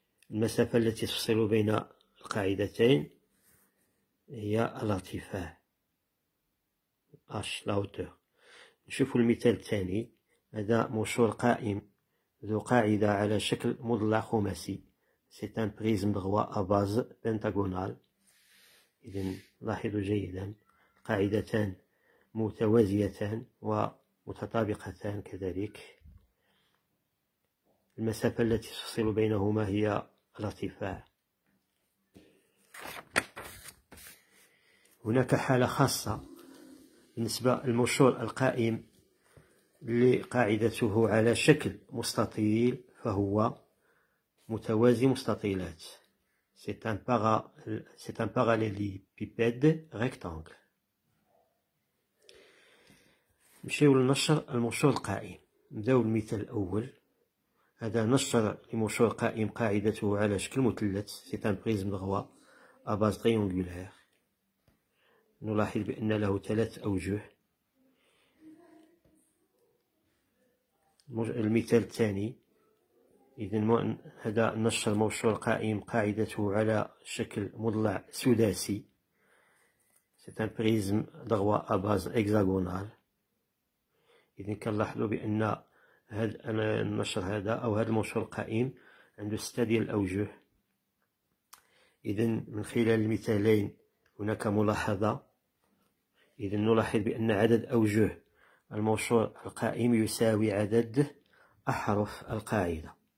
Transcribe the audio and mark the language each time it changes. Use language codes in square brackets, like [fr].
[ar] المسافة التي تفصل بين القاعدتين هي الارتفاع h la hauteur. نشوف المثال الثاني، هذا مشور قائم ذو قاعدة على شكل مضلع خماسي. [fr] C'est un prisme droit à base pentagonale. [ar] إذن لاحظوا جيدا، قاعدتان متوازيتان ومتطابقتان كذلك. المسافة التي تفصل بينهما هي الارتفاع. هناك حالة خاصة بالنسبة للمشور القائم اللي قاعدته على شكل مستطيل، فهو متوازي مستطيلات. [fr] C'est un parallélépipède rectangle. [ar] نمشيو للنشر المشور القائم. نبداو المثال الأول، هذا نشر لمشور قائم قاعدته على شكل مثلث. [fr] C'est un prisme droit à base triangulaire. [ar] نلاحظ بأن له ثلاث أوجه. المثال الثاني، إذن هذا نشر المشور القائم قاعدته على شكل مضلع سداسي. [fr] C'est un prisme droit à base hexagonal. [ar] إذن كنلاحظوا بأن هذا النشر هذا أو هذا المشور القائم عنده ستة ديال الأوجه. إذن من خلال المثالين هناك ملاحظة، إذن نلاحظ بأن عدد أوجه المشور القائم يساوي عدد أحرف القاعدة.